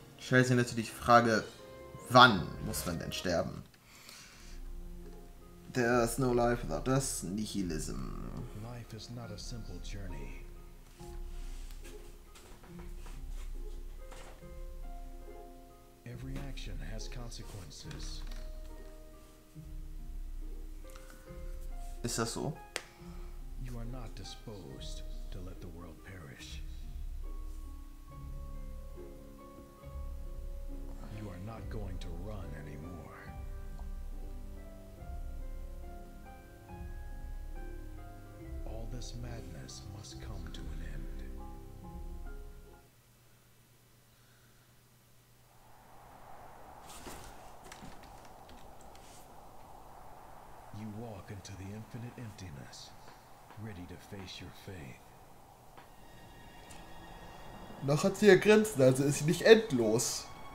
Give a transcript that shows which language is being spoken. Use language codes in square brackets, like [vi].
[de] Stellt sich natürlich die Frage, wann muss man denn sterben? [en] There's no life without us, Nihilism. Life is not a simple journey. Every action has consequences. [de] Ist das so? [en] You are not disposed to let the world perish. Not going to run anymore. All this madness must come to an end. You walk into the infinite emptiness, ready to face your fate. [de] Noch hat sie ja Grenzen, also ist sie nicht endlos.